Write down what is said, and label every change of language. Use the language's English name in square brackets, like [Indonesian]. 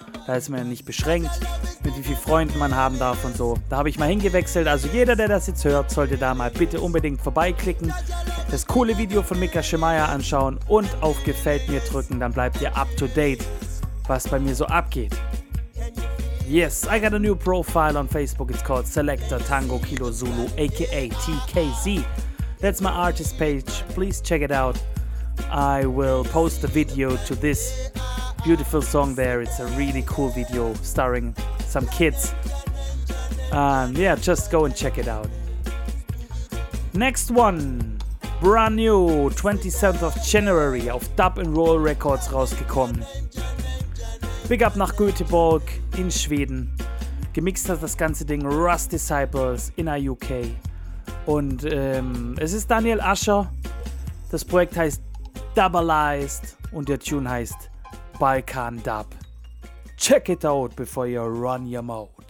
[German] Da ist man nicht beschränkt, mit wie vielen Freunden man haben darf und so. Da habe ich mal hingewechselt. Also jeder, der das jetzt hört, sollte da mal bitte unbedingt vorbeiklicken, das coole Video von Mika Shimaya anschauen und auf Gefällt mir drücken. Dann bleibt ihr up to date, was bei mir so abgeht. [English] Yes, I got a new profile on Facebook. It's called Selector Tango Kilo Zulu, aka TKZ. That's my artist page. Please check it out. I will post a video to this beautiful song there. It's a really cool video starring some kids. Yeah, just go and check it out. Next one. brand new, 27th of January, auf Dub & Roll Records [German] rausgekommen. Big up nach Göteborg in Schweden. Gemixt hat das ganze Ding Rust Disciples in der UK. Und es ist Daniel Ascher. Das Projekt heißt Doubleized und der Tune heißt Balkan Dub. [English] Check it out, before you run your mouth.